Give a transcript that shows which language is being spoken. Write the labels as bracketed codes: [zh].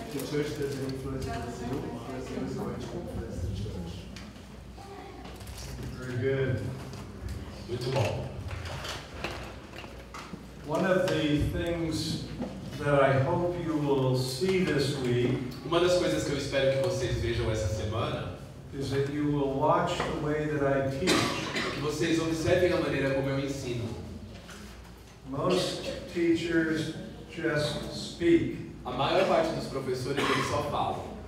[en] Church that influences the Brazil is going to influence the church. Very good. [pt] Muito bom. [en] One of the things that I hope you will see this week, [pt] uma das coisas que eu espero que vocês vejam essa semana, [en] is that you will watch the way that I teach. [pt] Que vocês observem a maneira como eu ensino. [en] Most teachers just speak. [pt] A maior parte dos professores eles só falam.